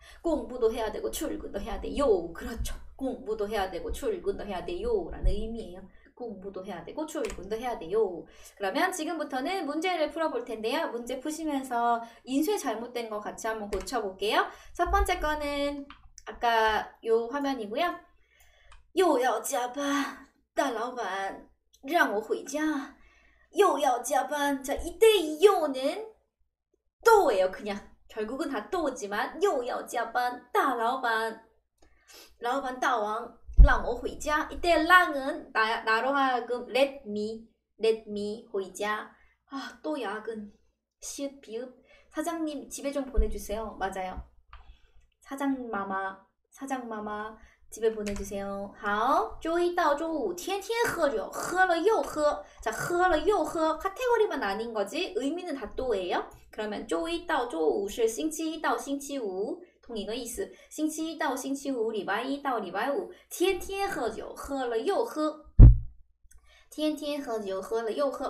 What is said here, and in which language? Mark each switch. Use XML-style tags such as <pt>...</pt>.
<ko>공부도 해야 되고 출근도 해야 돼요. 그렇죠. 공부도 해야 되고 출근도 해야 돼요라는 의미예요. 공부도 해야 되고 출근도 해야 돼요. 그러면 지금부터는 문제를 풀어볼 텐데요. 문제 푸시면서 인쇄 잘못된 거 같이 한번 고쳐볼게요. 첫 번째 거는 아까 요 화면이고요.</ko> <zh>又要加班，大老板让我回家。又要加班.</zh> <ko>자, 이때 요는 또예요. 그냥. 결국은 다 또지만</ko> <zh>又要加班大老板大王让我回家.</zh> <ko>이때 랑은 나로 하여금</ko> <en>let me</en> <zh>回家.</zh> <ko>아, 또 야근 시읏 비읏 사장님 집에 좀 보내주세요. 맞아요. 사장 마마 집에 보내주세요.</ko> <zh>好, 周一到周五天天喝酒，喝了又喝.</zh> <ko>자,</ko> <zh>喝了又喝</zh> <ko>카테고리만 아닌 거지 의미는 다 또예요. 그러면</ko> <zh>周一到周五是星期一到星期五, 同一个意思. 星期一到星期五, 礼拜一到礼拜五, 天天喝酒，喝了又喝。天天喝酒，喝了又喝。</zh>